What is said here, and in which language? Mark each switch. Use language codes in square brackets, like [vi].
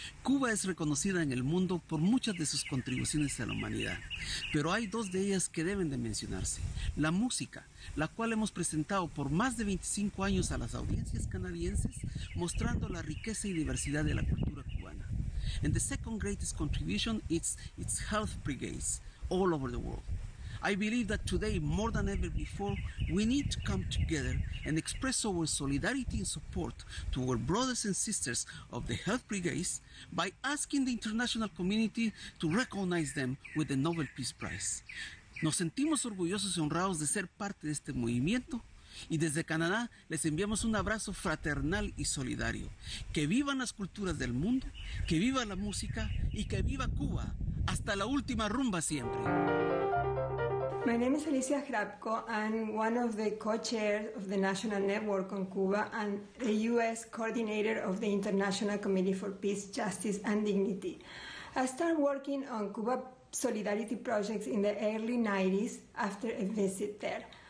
[es] Cuba es reconocida en el mundo por muchas de sus contribuciones a la humanidad, pero hay dos de ellas que deben de mencionarse. La música, la cual hemos presentado por más de 25 años a las audiencias canadienses, mostrando la riqueza y diversidad de la cultura cubana. [en] And the second greatest contribution is its health brigades all over the world. I believe that today, more than ever before, we need to come together and express our solidarity and support to our brothers and sisters of the health brigades by asking the international community to recognize them with the Nobel Peace Prize. [es] Nos sentimos orgullosos y honrados de ser parte de este movimiento y desde Canadá les enviamos un abrazo fraternal y solidario. Que vivan las culturas del mundo, que viva la música y que viva Cuba. Hasta la última rumba siempre. [en] My name is Alicia Hrabko. I'm one of the co-chairs of the National Network on Cuba and the U.S. coordinator of the International Committee for Peace, Justice, and Dignity. I started working on Cuba solidarity projects in the early 90s after a visit there.